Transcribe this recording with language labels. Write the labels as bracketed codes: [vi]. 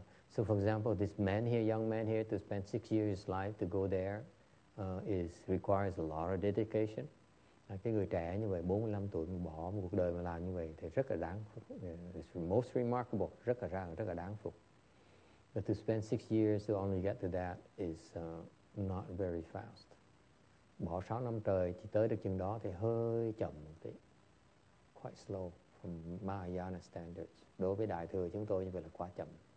[en] So for example, this man here, young man here, to spend 6 years of his life to go there, requires a lot of dedication. [vi] Cái người trẻ như vậy, 45 tuổi mà bỏ một cuộc đời mà làm như vậy thì rất là đáng phục. [en] It's most remarkable, [vi] rất là đáng phục. [en] But to spend 6 years to only get to that is not very fast. [vi] Bỏ 6 năm trời chỉ tới được chừng đó thì hơi chậm một tí. [en] Quite slow from Mahayana standards. [vi] Đối với Đại Thừa chúng tôi như vậy là quá chậm.